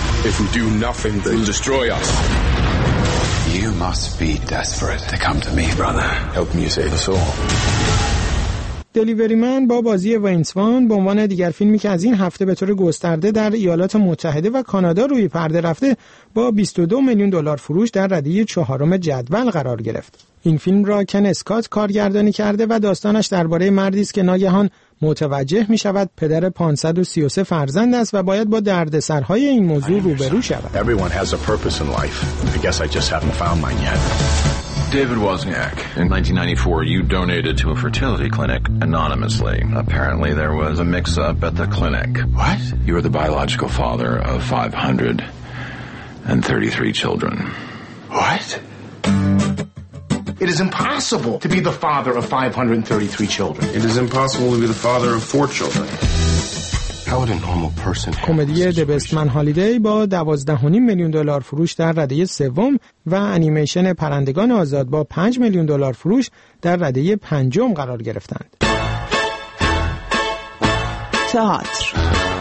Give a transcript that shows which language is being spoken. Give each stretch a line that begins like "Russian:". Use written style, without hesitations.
English: If we do nothing, they'll destroy us. You must be desperate to come to me, brother. Help me save us all.
Persian: دلیوری من با بازی وینس وان به عنوان دیگر فیلمی که از این هفته به طور گسترده در ایالات متحده و کانادا روی پرده رفته با 22 میلیون دلار فروش در رده چهارم جدول قرار گرفت. این فیلم را کن اسکات کارگردانی کرده و داستانش درباره مردی است که ناگهان متوجه می شود پدر 533 فرزند است و باید با دردسرهای این موضوع روبرو شود.
English: Everyone has a purpose in life. I guess I just haven't found mine yet. David Wozniak, in 1994, you donated to a fertility clinic anonymously. Apparently, there was a mix-up at the clinic. What? You are the biological father of 533 children. What? It is impossible to be the father of 533 children. It is impossible to be the father of 4 children. How would a normal person?
Persian: کمدی The Best Man Holiday با 12.5 میلیون دلار فروش در رده سوم و انیمیشن پرندگان آزاد با 5 میلیون دلار فروش در رده پنجم قرار گرفتند. تئاتر.